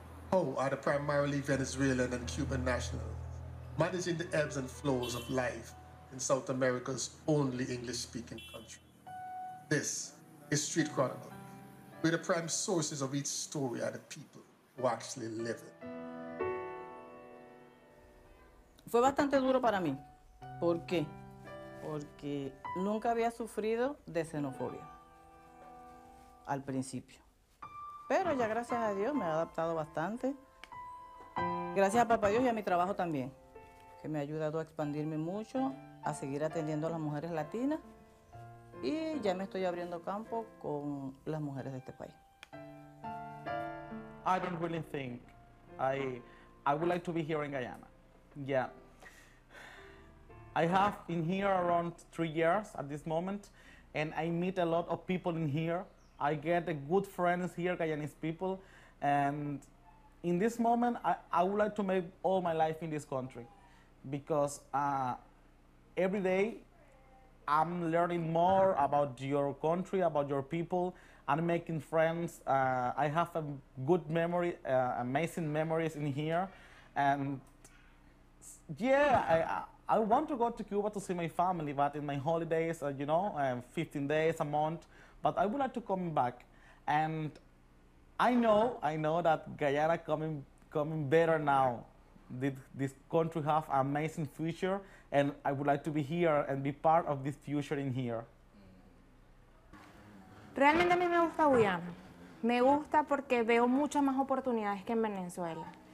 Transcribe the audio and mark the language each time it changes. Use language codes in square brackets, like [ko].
[en] How are the primarily Venezuelan and Cuban nationals managing the ebbs and flows of life in South America's only English-speaking country? This is Street Chronicle, where the prime sources of each story are the people who actually live it. [es] Fue bastante duro para mí. ¿Por qué? Porque nunca había sufrido de xenofobia al principio. Pero ya gracias a Dios me he adaptado bastante. Gracias a Papá Dios y a mi trabajo también, que me ha ayudado a expandirme mucho, a seguir atendiendo a las mujeres latinas y ya me estoy abriendo campo con las mujeres de este país. [en] I don't really think I would like to be here in Guyana. Yeah. I have in here around 3 years at this moment, and I meet a lot of people in here. I get a good friends here, Guyanese people, and in this moment, I would like to make all my life in this country, because every day I'm learning more about your country, about your people, and making friends. I have a good memory, amazing memories in here, and yeah, I want to go to Cuba to see my family, but in my holidays, 15 days, a month, but I would like to come back. And I know that Guyana coming better now. This country has an amazing future, and I would like to be here and be part of this future in here. [es] Realmente a mí me gusta Guyana. Me gusta porque veo muchas más oportunidades que en Venezuela.